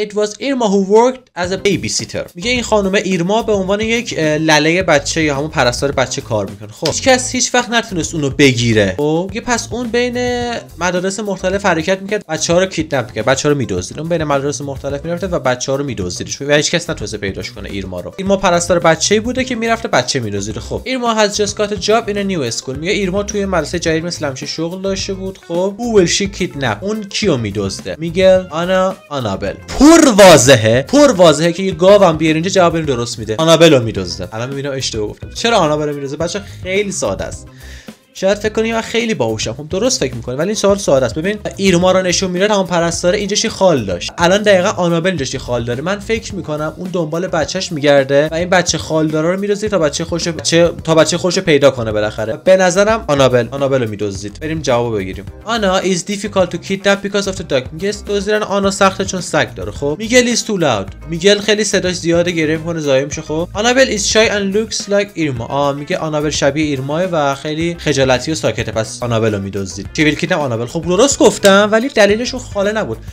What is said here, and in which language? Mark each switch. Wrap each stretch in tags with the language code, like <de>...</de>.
<en>It was Irma who worked as a babysitter.</en> <fa>میگه این خانم ایرما به عنوان یک لله بچه یا همون پرستار بچه کار میکنه. خب هیچکس هیچ وقت نتونست اونو بگیره. خب میگه پس اون بین مدارس مختلف حرکت میکرد، بچه ها رو کیدنپ میکرد، بچه ها رو میدزدید. اون بین مدارس مختلف میرفت و بچه ها رو میدزدید. و هیچکس نتونست پیداش کنه ایرما رو. ایرما پرستار بچه بوده که میرفته بچه میدوزیده.</fa> <en>خب Irma has just got a job in a new school.</en> <fa>میگه ایرما توی مدرسه جدید مثل همشه شغل داشته بود. خب</fa> <en>who will she kidnap؟</en> <fa>اون کیو میدوزده؟ میگه آنا آنابل. پر واضحه که یه گاوم بیار اینجا جواب این درست میده. آنابل رو میدوزده. الان میبینم اشتباه گفتم. چرا آنابل رو میدوزده؟ بچه خیلی ساده است. شاید فکر کنی من خیلی باهوشم. خب درست فکر میکنی، ولی این سوال ساده است. ببین ایرما رو نشون میره همون پرستاره، اینجا چی خال داشت. الان دقیقا آنابل اینجا چی خال داره. من فکر میکنم اون دنبال بچهش میگرده و این بچه خالداره رو میدوزید تا بچه خوش پیدا کنه بالاخره. به نظرم آنابل رو میدوزید. بریم جواب بگیریم.</fa> <en>Anna is difficult to kidnap because of the dog.</en> <fa>میگه دوزیدن آنا سخته چون سگ داره.</fa> <en>خب Miguel is too loud.</en> <fa>میگل خیلی صداش زیاده، گریه میکنه، زایه میشه.</fa> <en>خب Annabel is shy and looks like Irma.</en> <fa>میگه آنابل شبیه ایرما و خیلی لاتیو ساکته، پس آنابل رو میدزدید. چی ویل کیدنپ آنابل؟ خب درست گفتم، ولی دلیلشون خاله نبود.</fa>